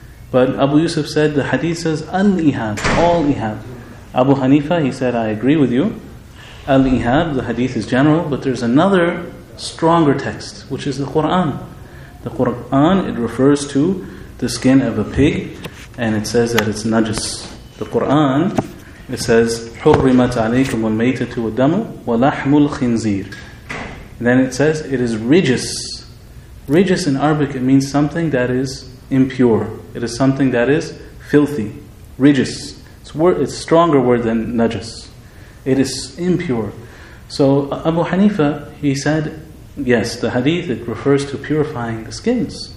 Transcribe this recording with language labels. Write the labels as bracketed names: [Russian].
[English] But Abu Yusuf said, the hadith says, al-ihab, all ihab. Abu Hanifa, he said, I agree with you. Al-ihab, the hadith is general, but there's another stronger text, which is the Qur'an. The Qur'an, it refers to the skin of a pig, and it says that it's najis. The Qur'an, it says, [Arabic] حُرِّمَتْ عَلَيْكُمْ وَالْمَيْتَةُ وَالْدَمُ وَلَحْمُ الْخِنْزِيرِ. [English] And then it says, it is rijis. Rijis in Arabic, it means something that is impure. It is something that is filthy. Rijis. It's a stronger word than najis. It is impure. So Abu Hanifa, he said, yes, the hadith, it refers to purifying the skins.